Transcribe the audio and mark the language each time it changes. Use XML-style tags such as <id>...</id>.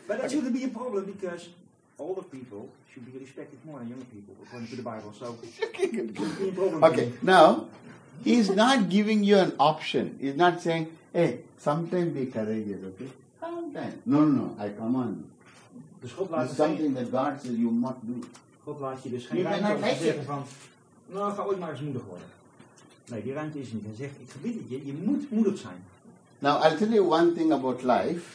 <en>But that shouldn't be a problem because older people should be respected more than younger people according to the Bible. So, okay, now, he's not giving you an option. He's not saying, hey, sometime be courageous, okay? Sometime. No, I come on.</en> <nl>Dus God laat</nl> <en>it's something that God says you must do.</en> <nl>God laat je dus geen ruimte om te zeggen van, nou, ga ooit maar eens moedig worden. Nee, die ruimte is niet. Hij zegt, ik gebied het je, je moet moedig zijn.</nl> <en>Now, I'll tell you one thing about life.</en>